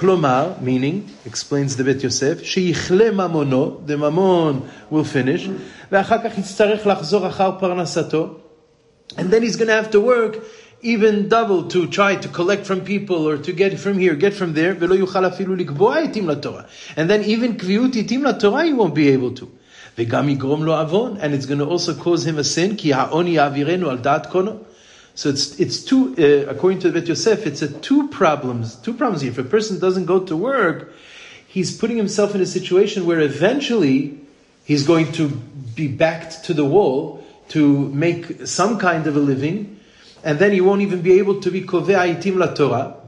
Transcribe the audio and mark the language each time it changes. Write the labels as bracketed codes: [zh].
[he] Klomar, [en] meaning, explains the Bet Yosef, [he] she'ichle mamono, [en] the mamon will finish, [he] ואחר כך יצטרך לחזור אחר פרנסתו. [en] And then he's going to have to work even double to try to collect from people or to get from here, get from there, [he] ולא יוכל אפילו לקבוע עתים לתורה. [en] And then even קביעות עתים לתורה he won't be able to. [he] וגם יגרום לו אבון, [en] and it's going to also cause him a sin, [he] כי העוני יעבירנו על דעת קונו. [en] So it's two, according to the Bet Yosef, it's a two problems. If a person doesn't go to work, he's putting himself in a situation where eventually he's going to be backed to the wall to make some kind of a living, and then he won't even be able to be kovei aitim la Torah.